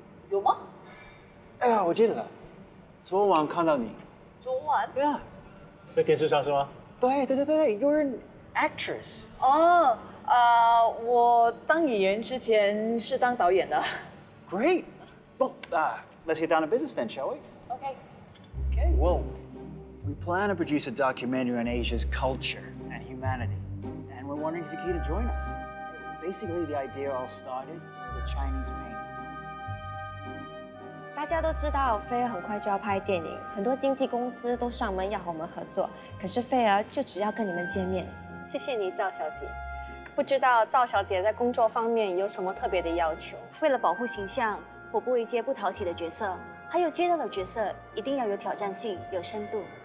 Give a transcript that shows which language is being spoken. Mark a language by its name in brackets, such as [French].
[Chinese] 有吗？哎呀，我记得了，昨晚看到你。昨晚？对啊。在电视上是吗？对对对对 ， [English] You're an actress。 [Chinese] 哦，我当演员之前是当导演的。 [English] Great. Well, let's get down to business then, shall we? Okay. Okay. Whoa. We plan to produce a documentary on Asia's culture and humanity, and we're wondering if you could join us. Basically, the idea all started with a Chinese painting. [Chinese] 大家都知道菲儿很快就要拍电影，很多经纪公司都上门要和我们合作，可是菲儿就只要跟你们见面。谢谢你，赵小姐。不知道赵小姐在工作方面有什么特别的要求？为了保护形象，我不会接不讨喜的角色，还有接到的角色一定要有挑战性，有深度。